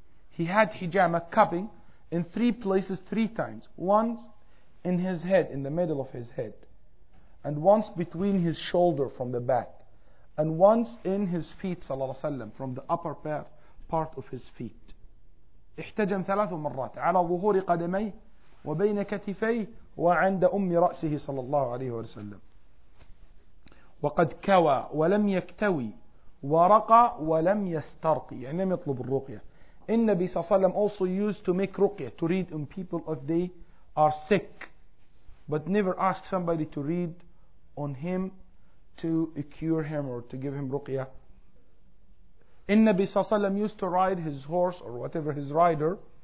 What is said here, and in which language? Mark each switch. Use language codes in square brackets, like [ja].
[en] He had hijama, cupping, in 3 places, 3 times. Once in his head, in the middle of his head, and once between his shoulder from the back, and once in his feet, [ar] صلى الله عليه وسلم, [en] from the upper part of his feet. [ar] احتجم ثلاث مرات على ظهور قدميه وبين كتفيه وعند أم رأسه صلى الله عليه وسلم. وقد كوى ولم يكتوي ورقى ولم يسترقي. يعني لم يطلب الرقية. النبي صلى الله عليه وسلم [en] also used to make رقية, to read on people if they are sick, but never asked somebody to read on him to cure him or to give him ruqya. Innabi sallallahu alayhi wa sallam used to ride his horse or whatever his rider.